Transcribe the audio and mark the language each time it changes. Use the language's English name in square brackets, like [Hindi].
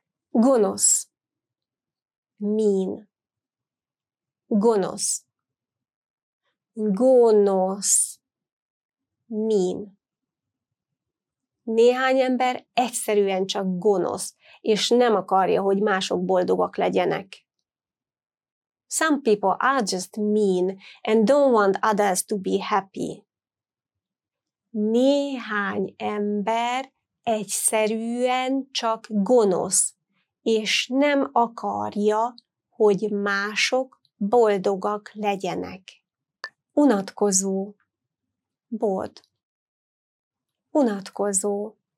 [Hungarian] Gonosz. Mean. Gonosz. Gonosz. Mean. Néhány ember egyszerűen csak gonosz, és nem akarja, hogy mások boldogak legyenek. [English] Some people are just mean and don't want others to be happy. [Hungarian] Néhány ember egyszerűen csak gonosz, és nem akarja, hogy mások boldogak legyenek. Unatkozó. Bored. Unatkozó.